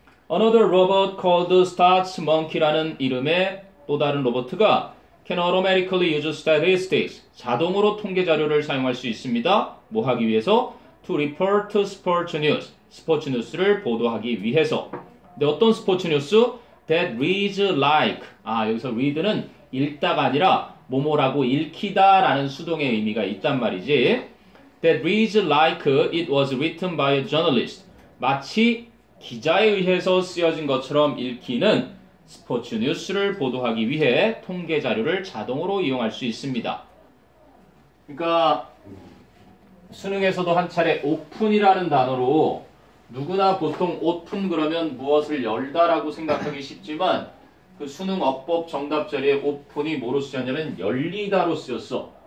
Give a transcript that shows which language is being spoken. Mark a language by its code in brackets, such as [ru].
[en] Another robot called Stats Monkey [ko] 라는 이름의 또 다른 로버트가 [en] can automatically use statistics, [ko] 자동으로 통계 자료를 사용할 수 있습니다. 뭐 하기 위해서? [en] To report sports news, [ko] 스포츠 뉴스를 보도하기 위해서. 근데 어떤 스포츠 뉴스? [en] That reads like. [ko] 아, 여기서 read는 읽다가 아니라 뭐뭐라고 읽히다 라는 수동의 의미가 있단 말이지. [en] That reads like it was written by a journalist. [ko] 마치 기자에 의해서 쓰여진 것처럼 읽히는 스포츠 뉴스를 보도하기 위해 통계 자료를 자동으로 이용할 수 있습니다. 그러니까 수능에서도 한 차례 오픈이라는 단어로 누구나 보통 오픈 그러면 무엇을 열다라고 생각하기 쉽지만 그 수능 어법 정답 자리에 오픈이 뭐로 쓰였냐면 열리다로 쓰였어.